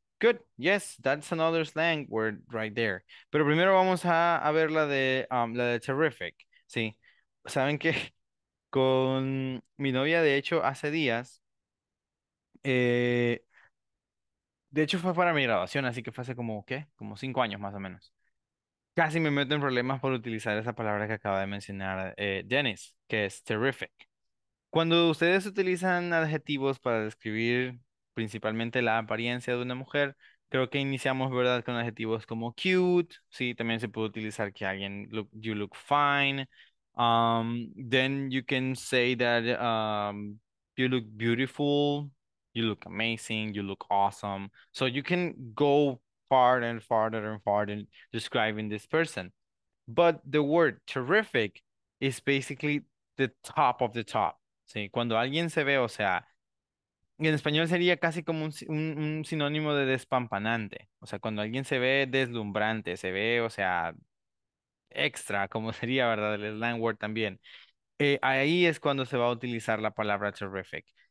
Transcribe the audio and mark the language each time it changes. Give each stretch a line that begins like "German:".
English: Good, yes, that's another slang word right there.
Spanish: Pero primero vamos a ver la de terrific, ¿sí? Saben que con mi novia, de hecho, hace días, de hecho, fue para mi graduación, así que fue hace como, ¿qué? Como 5 años más o menos. Casi me meto en problemas por utilizar esa palabra que acaba de mencionar Dennis, que es terrific. Cuando ustedes utilizan adjetivos para describir principalmente la apariencia de una mujer, creo que iniciamos, ¿verdad?, con adjetivos como cute, ¿sí? También se puede utilizar que alguien,
English: you look fine. Then you can say that you look beautiful. You look amazing, you look awesome. So you can go farther and farther and farther describing this person. But the word terrific is basically the top of the top.
Spanish: ¿Sí? Cuando alguien se ve, o sea, en español sería casi como un sinónimo de despampanante. O sea, cuando alguien se ve deslumbrante, se ve, o sea, extra, como sería, ¿verdad? El slang word también. Ahí es cuando se va a utilizar la palabra terrific.